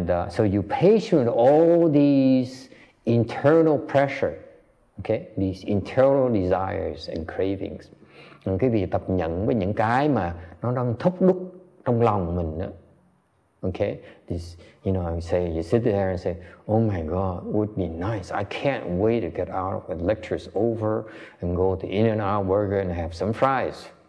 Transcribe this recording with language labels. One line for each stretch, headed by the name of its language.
English: So you patient all these internal pressure, okay? These internal desires and cravings.
Vietnamese: Quý vị tập nhẫn với những cái mà nó đang thúc đúc trong lòng mình đó.
English: Okay, this, you know, you sit there and say, oh my God, it would be nice. I can't wait to get out of the lectures over and go to In-N-Out Burger and have some fries.